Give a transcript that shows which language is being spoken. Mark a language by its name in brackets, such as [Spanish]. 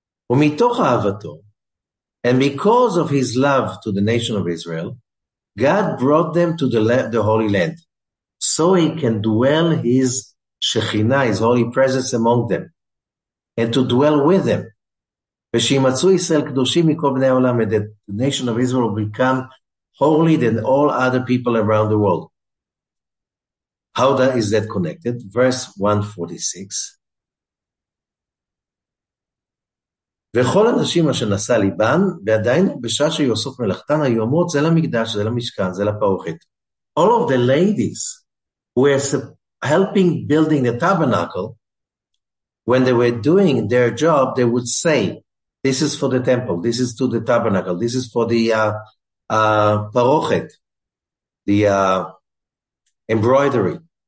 [Hebrew] ומתוך אהבתו, [English] and because of his love to the nation of Israel, God brought them to the Holy Land, so he can dwell his Shekhinah, his holy presence among them, and to dwell with them. [Hebrew] ושימצאו ישראל קדושים מכל בני העולם, [English] and that the nation of Israel will become holy than all other people around the world. How that is that connected? Verse 146. [Hebrew] וכל הנשים אשר נשא ליבן, ועדיין בשעה שהיא עושות מלאכתן, היו אומרות, זה למקדש, זה למשכן, זה לפרוכת. [English] All of the ladies who were helping building the tabernacle, when they were doing their job, they would say, this is for the temple, this is to the tabernacle, this is for the parochet, the embroidery.